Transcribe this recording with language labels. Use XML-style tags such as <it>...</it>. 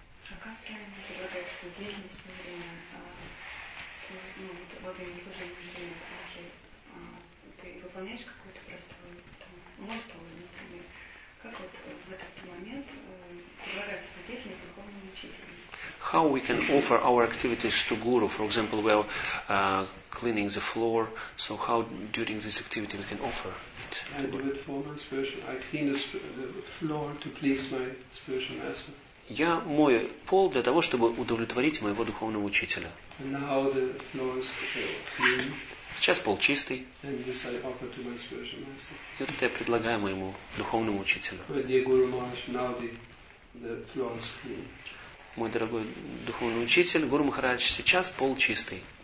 <ru>А как правильно предлагать деятельность во время служения, если ты выполняешь какую-то простую, молитву, например, как вот в этот момент предлагать свою деятельность духовному учителю?</ru> <en>How we can offer our activities to Guru, for example, while cleaning the floor. So how during this activity we can offer it? I do it for my spiritual. I clean the floor to please my spiritual master.</en> <ru>Я мою пол для того, чтобы удовлетворить моего духовного учителя.</ru> <en>And now the floor is clean.</en> <ru>Сейчас пол чистый.</ru> <en>And this I offer to my spiritual master.</en> <ru>И вот это я предлагаю моему духовному учителю.</ru> <en>My dear Guru Maharaj, now the floor is clean.</en> <ru>Мой дорогой духовный учитель, Гуру Махарадж, сейчас пол чистый.</ru>